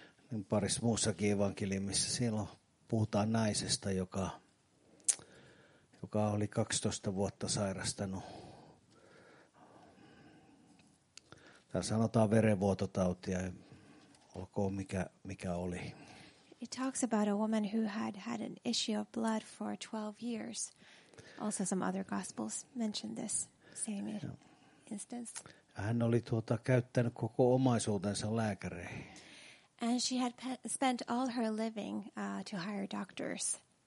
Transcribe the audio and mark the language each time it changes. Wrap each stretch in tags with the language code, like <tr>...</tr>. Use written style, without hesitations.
<fi>Niin parissa muussakin evankeliumissa silloin puhutaan naisesta, joka oli 12 vuotta sairastanut. Tää sanotaan verenvuototautia, olkoon mikä oli.</fi> <en>It talks about a woman who had an issue of blood for 12 years. Also some other gospels mention this same instance.</en> <fi>Hän oli käyttänyt koko omaisuutensa lääkäreihin.</fi> <en>And she had spent all her living to hire doctors.</en>